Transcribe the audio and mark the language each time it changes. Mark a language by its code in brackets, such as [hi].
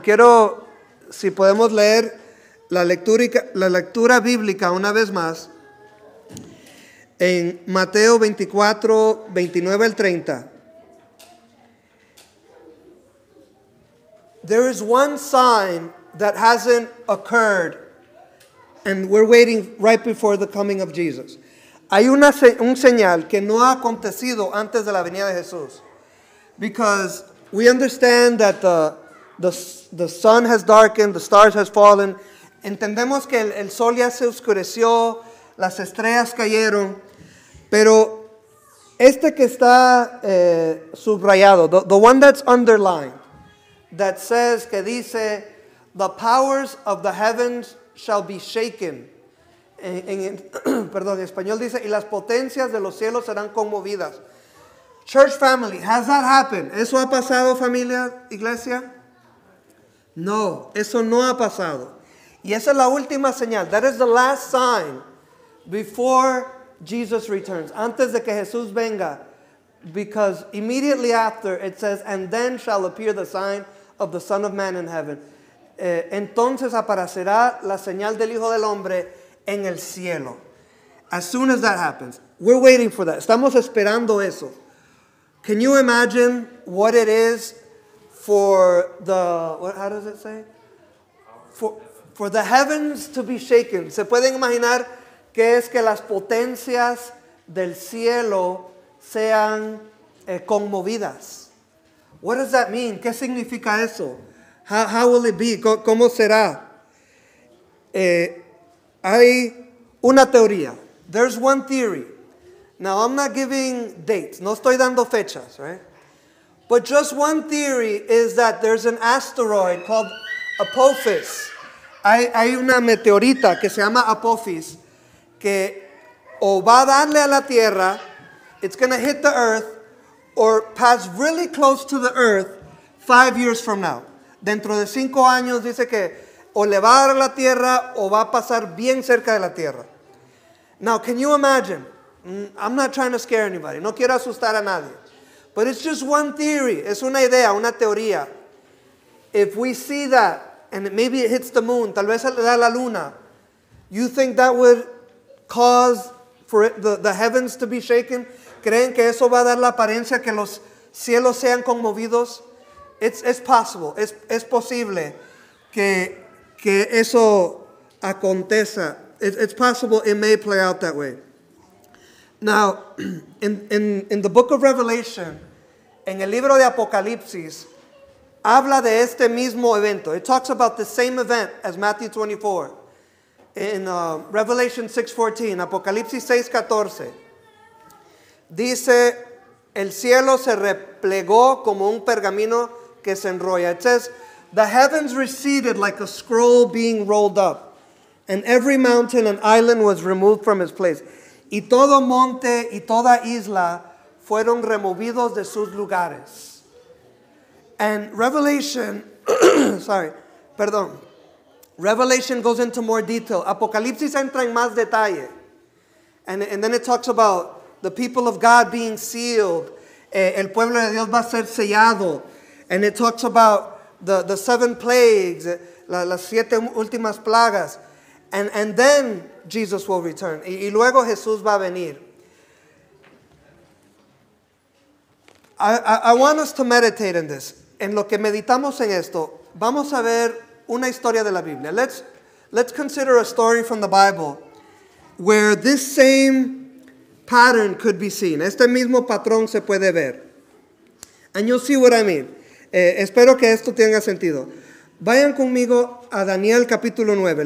[es] Quiero, si podemos leer la lectura bíblica una vez más, en Mateo 24, 29 al 30. [en] There is one sign that hasn't occurred, and we're waiting right before the coming of Jesus. [es] Hay un señal que no ha acontecido antes de la venida de Jesús. [en] Because we understand that the sun has darkened, the stars has fallen. [es] Entendemos que el sol ya se oscureció, las estrellas cayeron. Pero este que está subrayado, [en] the one that's underlined, that says, [es] que dice, [en] the powers of the heavens shall be shaken. [es] perdón, en español dice, y las potencias de los cielos serán conmovidas. [en] Church family, has that happened? [es] ¿Eso ha pasado, familia, iglesia? No, eso no ha pasado. Y esa es la última señal. [en] That is the last sign before Jesus returns. [es] Antes de que Jesús venga. [en] Because immediately after, it says, and then shall appear the sign of the Son of Man in heaven. [es] Entonces aparecerá la señal del Hijo del Hombre en el cielo. [en] As soon as that happens. We're waiting for that. [es] Estamos esperando eso. [en] Can you imagine what it is for the, what, how does it say? For the heavens to be shaken. [es] ¿Se pueden imaginar qué es que las potencias del cielo sean conmovidas? [en] What does that mean? [es] ¿Qué significa eso? [en] How will it be? [es] ¿Cómo será? Hay una teoría. [en] There's one theory. Now, I'm not giving dates. [es] No estoy dando fechas, right? [en] But just one theory is that there's an asteroid called Apophis. [es] Hay una meteorita que se llama Apophis que o va a darle a la Tierra. [en] It's going to hit the earth or pass really close to the earth 5 years from now. [es] Dentro de 5 años dice que o le va a dar a la Tierra o va a pasar bien cerca de la Tierra. [en] Now, can you imagine? I'm not trying to scare anybody. [es] No quiero asustar a nadie. [en] But it's just one theory. [es] Es una idea, una teoría. [en] If we see that, and maybe it hits the moon, [es] tal vez le da la luna, [en] you think that would cause for it, the heavens to be shaken? [es] ¿Creen que eso va a dar la apariencia que los cielos sean conmovidos? [en] It's possible. [es] Es posible que eso acontezca. [en] It's possible it may play out that way. Now, in the book of Revelation, [es] en el libro de Apocalipsis, habla de este mismo evento. [en] It talks about the same event as Matthew 24. In Revelation 6:14, [es] Apocalipsis 6:14, dice, el cielo se replegó como un pergamino que se enrolla. [en] It says, the heavens receded like a scroll being rolled up, and every mountain and island was removed from its place. [es] Y todo monte y toda isla fueron removidos de sus lugares. [en] And Revelation, sorry, perdón. Revelation goes into more detail. [es] Apocalipsis entra en más detalle. [en] And then it talks about the people of God being sealed. [es] El pueblo de Dios va a ser sellado. [en] And it talks about the seven plagues, [es] las siete últimas plagas. [en] And then Jesus will return. [es] Y luego Jesús va a venir. [en] I want us to meditate in this. [es] En lo que meditamos en esto, vamos a ver una historia de la Biblia. [en] Let's consider a story from the Bible where this same pattern could be seen. [es] Este mismo patrón se puede ver. [en] And you'll see what I mean. [es] Espero que esto tenga sentido. Vayan conmigo a Daniel capítulo 9.